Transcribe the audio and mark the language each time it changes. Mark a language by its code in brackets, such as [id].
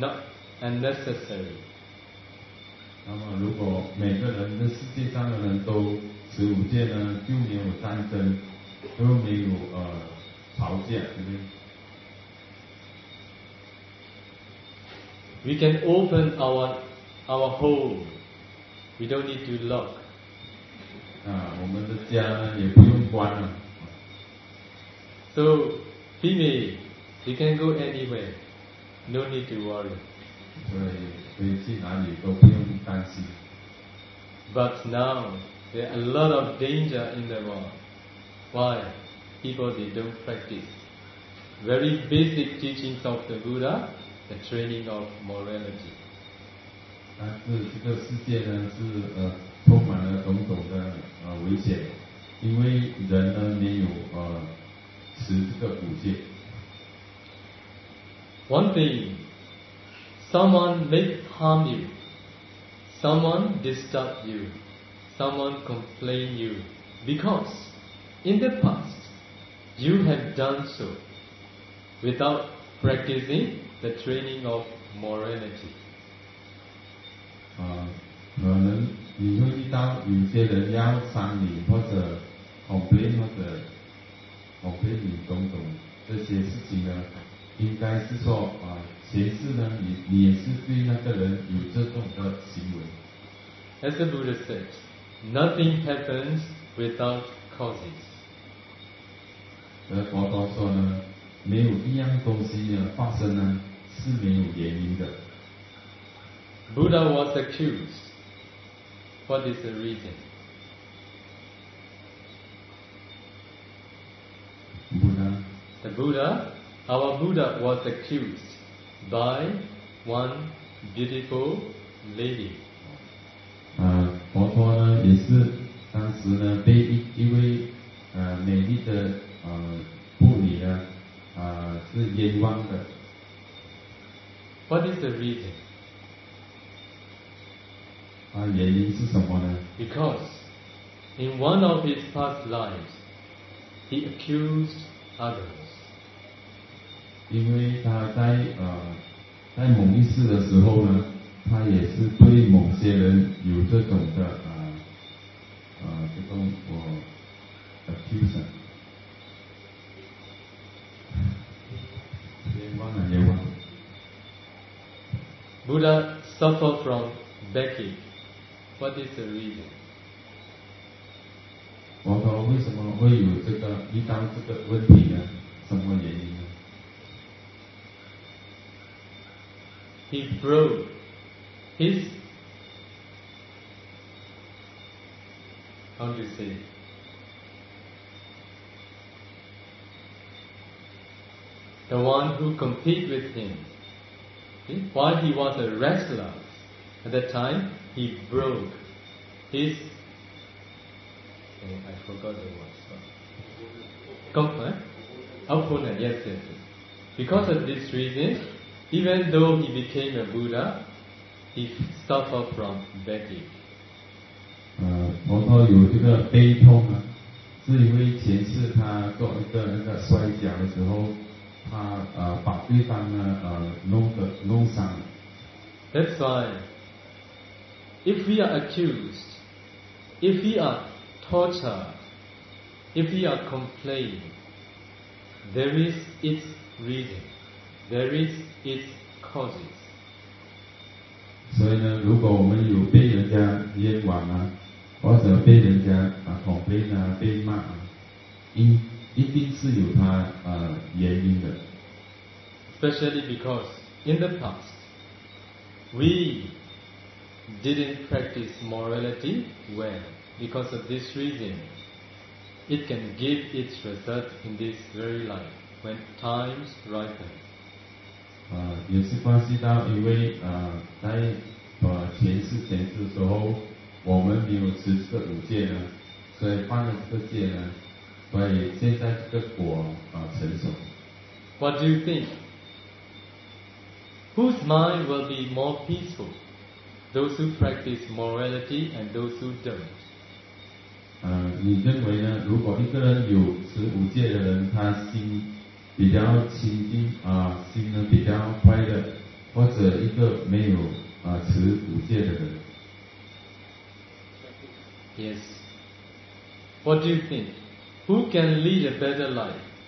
[en] not unnecessary. [zh] 那么如果每个人这世界上的人都持五戒呢，就没有战争，就没有吵架，对不对？ [en] We can open our home. We don't need to lock. [zh] 啊，我们的家也不用关了。 [en] So, Phoebe, you can go anywhere. No need to worry. [zh] 对，可以去哪里都不用担心。 [en] But now, there are a lot of danger in the world. Why? People, they don't practice. Very basic teachings of the Buddha, the training of morality. [zh] 但是这个世界呢，是充满了种种的危险，因为人呢没有持这个五戒。 [en] One thing, someone may harm you, someone disturb you, someone complain you, because in the past you have done so without practicing the training of morality. [zh] 可能你会遇到有些人要伤你或者 complain 或者。我可以懂懂这些事情呢，应该是说前世呢，你也是对那个人有这种的行为。 [en] As the Buddha said, nothing happens without causes. [zh] 而佛陀说呢，没有一样东西呢发生呢是没有原因的。 [en] Buddha was accused. What is the reason? Buddha, our Buddha was accused by one beautiful lady. [zh] 佛陀呢也是当时呢被一位美丽的妇女呢是冤枉的。 [en] What is the reason? [zh] 原因是什么呢 [en] ？Because in one of his past lives, he accused others. [zh] 因为他在在某一世的时候呢，他也是对某些人有这种的这种accusation。冤枉。 [en] Buddha suffer from backache. What is the reason? [zh] 佛陀为什么会有这个遇到这个问题呢？什么原因？ [en] He broke his, how do you say, the one who competed with him. While he was a wrestler, at that time, he broke his, I forgot the word, opponent, yes. Because of this reason,Even though he became a Buddha, he suffered from backache. [zh] 佛陀有这个悲痛啊，是因为前世他做一个那个摔跤的时候，他把对方呢弄伤。 [en] That's why, if we are accused, if we are tortured, if we are complained, there is its reason. There is its causes. [zh] 所以呢，如果我们有被人家冤枉啊，或者被人家complain啊，被骂啊，一定是有它原因的。 [en] Especially because in the past we didn't practice morality well. Because of this reason, it can give its result in this very life when times ripen. [zh] 也是关系到，因为在前世的时候，我们没有持这个五戒呢，所以犯了这个戒呢，所以现在这个果成熟。 [en] What do you think? Whose mind will be more peaceful? Those who practice morality and those who don't. [zh] 你认为呢？如果一个人有持五戒的人，他心比较清净，心呢比较快乐，或者一个没有啊持五戒的人。 [en] Yes. What do you think? Who can lead a better life?